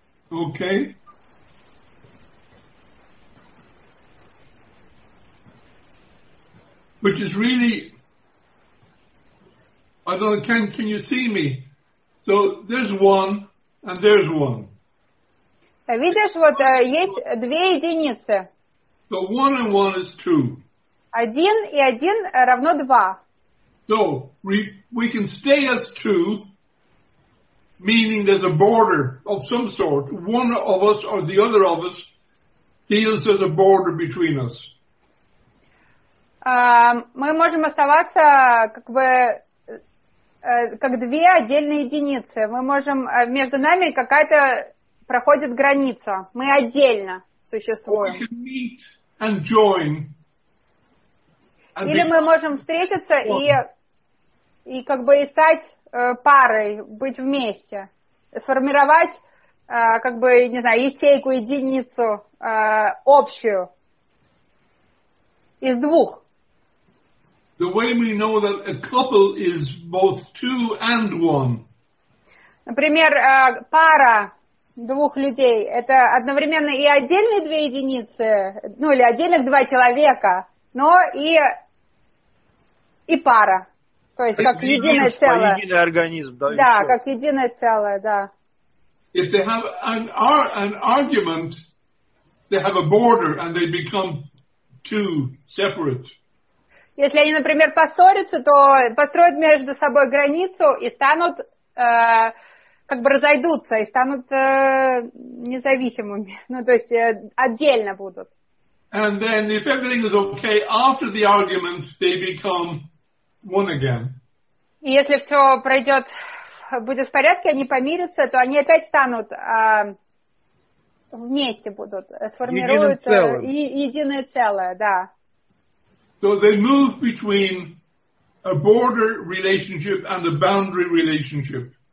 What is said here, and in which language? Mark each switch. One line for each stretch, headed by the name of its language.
English: Okay. Which is really, I don't know, can you see me? So there's one and there's one.
Russian: Видишь, вот есть две единицы.
English: So one and one is two.
Russian: Один и один равно два.
English: So we can stay as two, meaning there's a border of some sort. One of us or the other of us feels there's a border between us.
Russian: Мы можем оставаться как бы как две отдельные единицы. Мы можем между нами какая-то проходит граница. Мы отдельно существуем.
English: We can meet and join.
Russian: Или мы можем встретиться и как бы и стать парой, быть вместе, сформировать как бы, не знаю, ячейку, единицу общую из двух.
English: The way we know that a couple is both two and one.
Russian: Например, пара двух людей, это одновременно и отдельные две единицы, ну или отдельных два человека, но и пара. То есть как единое целое. Единый организм, да. Да, как единое целое, да.
English: If they have an argument, they have a border and they become two separate.
Russian: Если они, например, поссорятся, то построят между собой границу и станут как бы разойдутся и станут независимыми. Ну, то есть отдельно будут.
English: And then if everything is okay after the argument, they become one again.
Russian: И если все пройдет, будет в порядке, они помирятся, то они опять станут вместе будут, сформируются единое целое, да.
English: So they move between a border relationship and a boundary relationship.